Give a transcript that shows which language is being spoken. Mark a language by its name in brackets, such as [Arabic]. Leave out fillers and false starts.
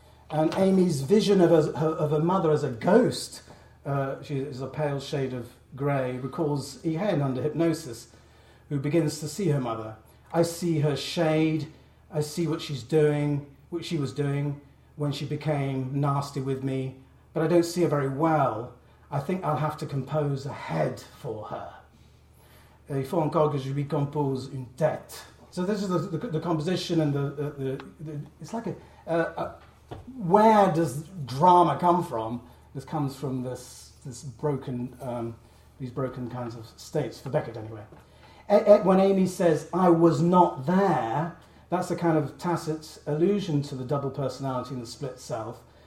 [English] And Amy's vision of her mother as a ghost, she is a pale shade of grey, recalls Irène under hypnosis, who begins to see her mother. I see her shade, I see what she's doing, what she was doing, when she became nasty with me, but I don't see her very well. I think I'll have to compose a head for her. [French] Il faut encore que je lui compose une tête. [English] So this is the composition and it's like a where does drama come from? This comes from this broken, these broken kinds of states, for Beckett anyway. When Amy says, I was not there, that's a kind of tacit allusion to the double personality and the split self.